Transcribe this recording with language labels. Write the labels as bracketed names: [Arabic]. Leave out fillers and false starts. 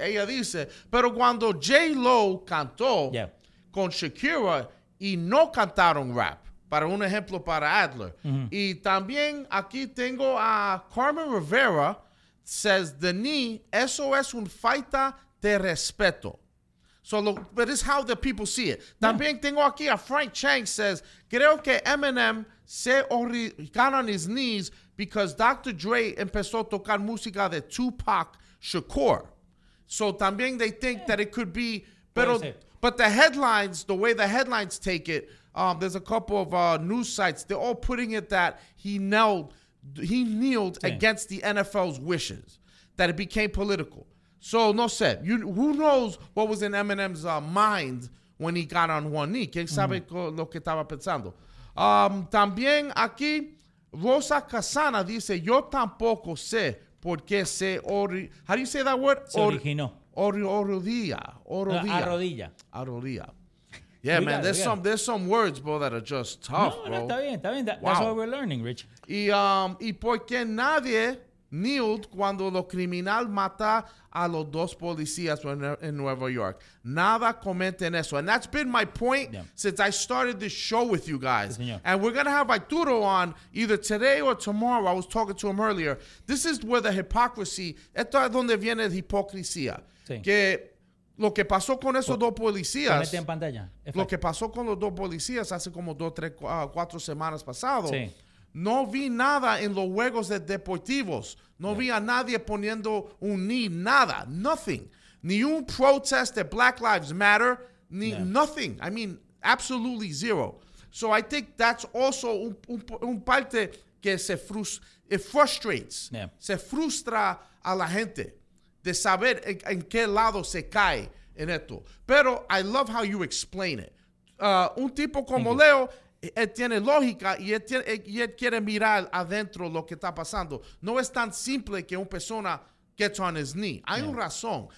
[Spanish] Ella dice, pero cuando J-Lo cantó con Shakira y no cantaron rap, para un ejemplo para Adler. Mm-hmm. Y también aquí tengo a Carmen Rivera, says, Denis, eso es un falta de respeto. [English] So, look, but it's how the people see it. [Spanish] También tengo aquí a Frank Chang, says, creo que Eminem se [English] got on his knees because Dr. [Spanish] Dre empezó a tocar música de Tupac Shakur. [English] So también they think that it could be, but the headlines, the way the headlines take it, there's a couple of news sites, they're all putting it that he kneeled against the NFL's wishes, that it became political. So [Spanish] no sé, [English] who knows what was in Eminem's mind when he got on one knee? [Spanish] ¿Quién sabe lo que estaba pensando? También aquí, Rosa Casana dice, yo tampoco sé por qué se [English] how do you say that word? [Spanish] Se originó. Arrodilla. Arrodilla. [English] Yeah, man, there's some words, bro, that are just tough, [Spanish] no, No, está bien. [English] That's what we're learning, Rich. [Spanish] Y por qué nadie kneeled cuando lo criminal mata a los dos policías en Nueva York. Nada comenten eso. [English] And that's been my point since I started this show with you guys. [Spanish] Sí, [English] and we're going to have Arturo on either today or tomorrow. I was talking to him earlier. This is where the hypocrisy, [Spanish] esto es donde viene la hipocresía. Sí. Que lo que pasó con esos dos policías. Se mete en pantalla. Lo que pasó con los dos policías hace como dos, tres, cuatro semanas pasado. Sí. No vi nada en los juegos de deportivos. No vi a nadie poniendo un knee, nada, nothing. Ni un protest de Black Lives Matter, ni nothing. [English] I mean, absolutely zero. So I think that's also [Spanish] un parte que [English] frustrates. Yeah. [Spanish] Se frustra a la gente de saber en qué lado se cae en esto. Pero [English] I love how you explain it. [Spanish] Un tipo como Leo, él tiene lógica y él quiere mirar adentro lo que está pasando. No es tan simple que una persona [English] gets on his knee. [Spanish] Hay una razón.